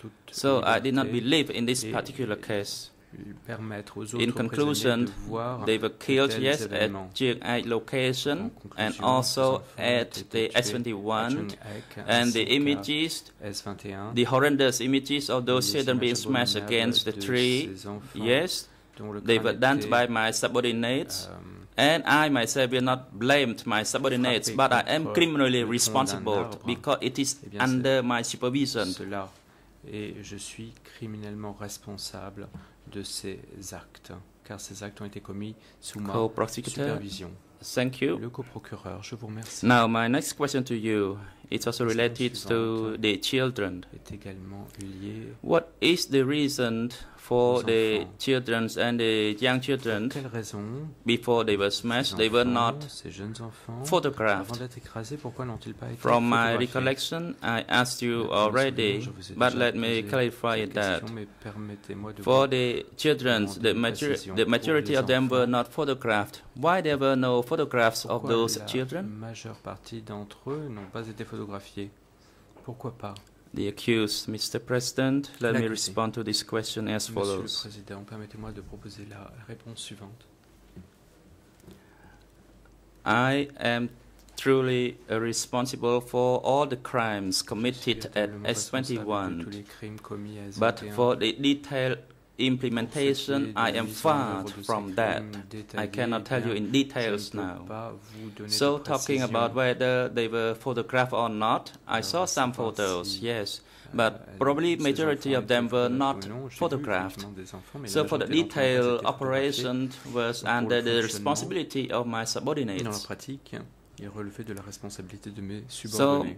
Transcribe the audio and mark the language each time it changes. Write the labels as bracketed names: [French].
[English] So I did not believe in this particular case. In conclusion, they were killed, yes, at GI location and also at the S21, and the images, the horrendous images of those children being smashed against the tree, yes, they were done by my subordinates, and I myself will not blame my subordinates, but I am criminally responsible because it is under my supervision. [French] Et je suis criminellement responsable de ces actes, car ces actes ont été commis sous ma supervision. [English] Thank you. [French] Le coprocureur, je vous remercie. [English] Now, my next question to you, it's also related to the children. [French] Est également lié. [English] What is the reason for the children and the young children, [French] quelle raison [English] before they were smashed, they were not [French] ces jeunes enfants, [English] photographed? [French] Avant d'être écrasés, pourquoi n'ont-ils pas été [English] from my recollection, I asked you already, but let me clarify that for the children, the majority of them were not photographed. Why there were no photographs [French] pourquoi [English] of those children? [French] La majeure partie d'entre eux n'ont pas été photographiés. Pourquoi pas? [English] The accused, Mr. President, let me respond to this question as follows. [French] Monsieur le Président, permettez-moi de proposer la réponse suivante. [English] I am truly responsible for all the crimes committed at S21, but for the detailed implementation, I am far from that. I cannot tell you in details now. So talking about whether they were photographed or not, I saw some photos, yes, but probably majority of them were not photographed. So for the detailed operation was under the responsibility of my subordinates. [French] et relever de la responsabilité de mes subordonnés.